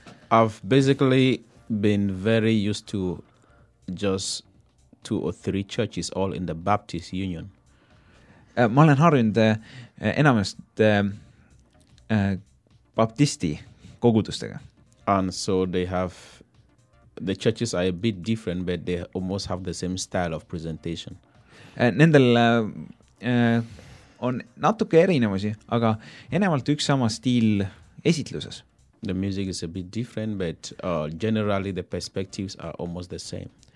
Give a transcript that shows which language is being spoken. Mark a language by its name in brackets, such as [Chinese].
[English] I've basically been very used to just two or three churches all in the Baptist Union. [Estonian] Ma olen harjunud enamest baptisti kogudustega. [English] And so they have, the churches are a bit different, but they almost have the same style of presentation. [Estonian] Nendel on natuke erinevasi, aga enemalt üks sama stiil esitluses. [English] The music is a bit different, but generally the perspectives are almost the same.